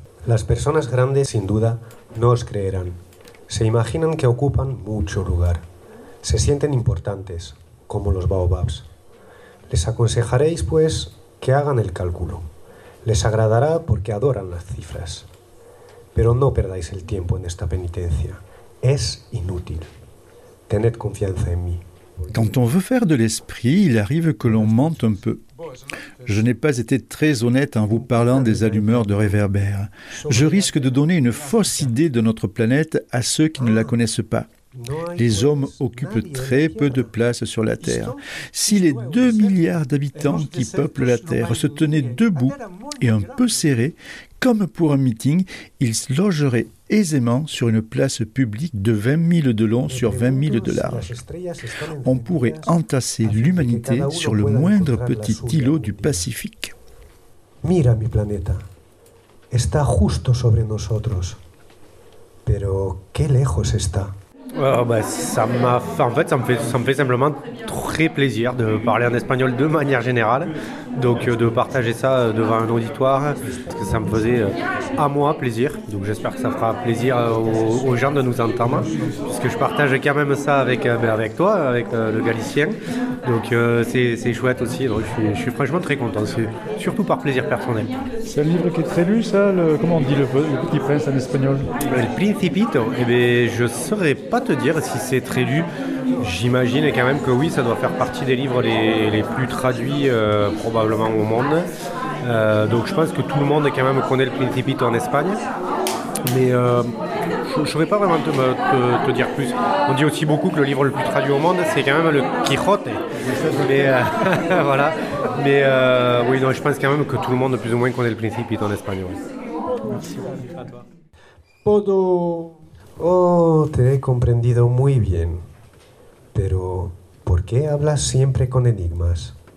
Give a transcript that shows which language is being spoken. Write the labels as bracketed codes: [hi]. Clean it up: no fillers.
[es] Las personas grandes, sin duda, no os creerán. Se imaginan que ocupan mucho lugar. Se sienten importantes, como los baobabs. Les aconsejaréis, pues, que hagan el cálculo. Les agradará porque adoran las cifras. Pero no perdáis el tiempo en esta penitencia. Es inútil. Tened confianza en mí. [fr] Quand on veut faire de l'esprit, il arrive que l'on mente un peu. Je n'ai pas été très honnête en vous parlant des allumeurs de réverbères. Je risque de donner une fausse idée de notre planète à ceux qui ne la connaissent pas. Les hommes occupent très peu de place sur la Terre. Si les 2 milliards d'habitants qui peuplent la Terre se tenaient debout et un peu serrés, comme pour un meeting, ils logeraient aisément sur une place publique de 20 000 de long sur 20 000 de large. On pourrait entasser l'humanité sur le moindre petit îlot du Pacifique. [es] Mira mi planeta. Está justo sobre nosotros. Pero qué lejos está. [fr] Ça me fait simplement très plaisir de parler en espagnol de manière générale, donc de partager ça devant un auditoire, parce que ça me faisait à moi plaisir, donc j'espère que ça fera plaisir aux gens de nous entendre, puisque je partage quand même ça avec toi, avec le galicien, donc c'est chouette aussi, donc je suis franchement très content, c'est surtout par plaisir personnel. C'est un livre qui est très lu ça, comment on dit le Petit Prince en espagnol? Le Principito, eh bien je ne saurais pas te dire si c'est très lu. J'imagine quand même que oui, ça doit faire partie des livres les plus traduits probablement au monde. Donc je pense que tout le monde quand même connaît le Principito en Espagne. Mais je ne saurais pas vraiment te dire plus. On dit aussi beaucoup que le livre le plus traduit au monde, c'est quand même le Quijote. Mais voilà. Mais oui, non, je pense quand même que tout le monde plus ou moins connaît le Principito en Espagne. Ouais. Merci. Podo. [es] Oh, te he comprendido muy bien. Pero, ¿por qué hablas siempre con enigmas?